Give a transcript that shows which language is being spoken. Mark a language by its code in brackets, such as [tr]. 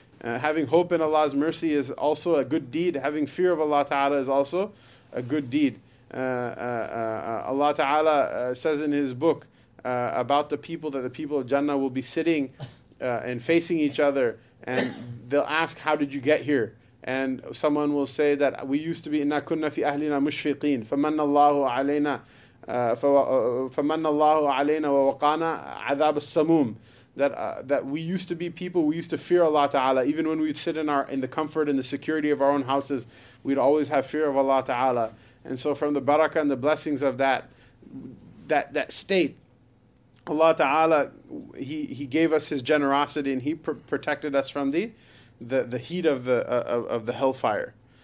[en] Having hope in Allah's mercy is also a good deed. Having fear of Allah Ta'ala is also a good deed. Allah Ta'ala says in His book about the people, that the people of Jannah will be sitting and facing each other, and they'll ask, how did you get here? And someone will say that we used to be, [ar] إِنَّا كُنَّا فِي أَهْلِنَا مُشْفِقِينَ فَمَنَّ اللَّهُ عَلَيْنَا فَمَنَّ اللَّهُ عَلَيْنَا وَوَقَانَا عَذَابَ السَّمُومِ. [en] That we used to be people, we used to fear Allah Ta'ala. Even when we'd sit in the comfort and the security of our own houses, we'd always have fear of Allah Ta'ala. And so from the barakah and the blessings of that state, Allah Ta'ala, he gave us His generosity, and He protected us from the heat of the hellfire.